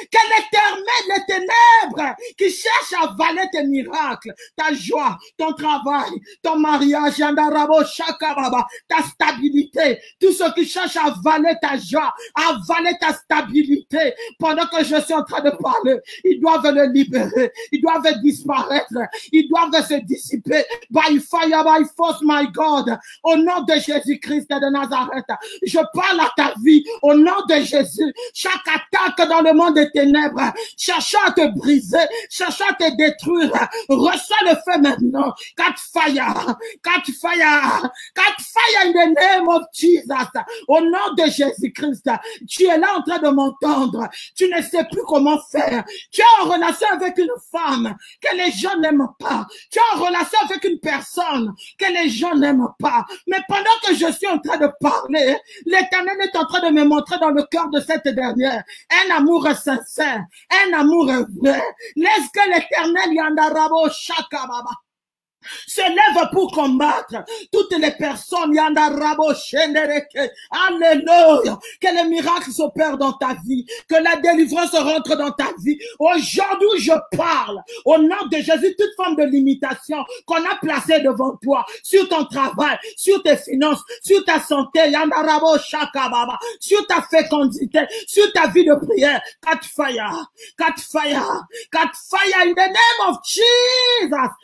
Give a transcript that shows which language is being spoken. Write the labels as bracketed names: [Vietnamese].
[French] Que l'Éternel, les ténèbres qui cherchent à avaler tes miracles, ta joie, ton travail, ton mariage, yandarabo shakababa, ta stabilité, tout ce qui cherche à avaler ta joie, à avaler ta stabilité, pendant que je suis en train de parler, ils doivent le libérer, ils doivent disparaître, ils doivent se dissiper. [English] By fire, by force, my God, [French] au nom de Jésus-Christ de Nazareth, je parle à ta vie. Au nom de Jésus, chaque attaque dans le monde des ténèbres, cherchant à te briser, cherchant à te détruire, reçois le feu maintenant. [English] Catch fire, catch fire, catch fire in the name of Jesus. [French] Au nom de Jésus-Christ, tu es là en train de m'entendre. Tu ne sais plus comment faire. Tu es en relation avec une femme que les gens n'aiment pas. Tu es en relation avec une personne que les gens n'aiment pas. Mais pendant que je suis en train de parler, l'Éternel est en train de me montrer dans le cœur de cette dernière un amour sincère, un amour vrai. Laisse que l'Éternel yandarabo shakababa se lève pour combattre toutes les personnes yandarabo shendereke. Alléluia. Que les miracles s'opèrent dans ta vie, que la délivrance rentre dans ta vie. Aujourd'hui, je parle au nom de Jésus, toute forme de limitation qu'on a placée devant toi sur ton travail, sur tes finances, sur ta santé, yandarabo shakababa, sur ta fécondité, sur ta vie de prière. [English] Catch fire, catch fire, catch fire in the name of Jesus.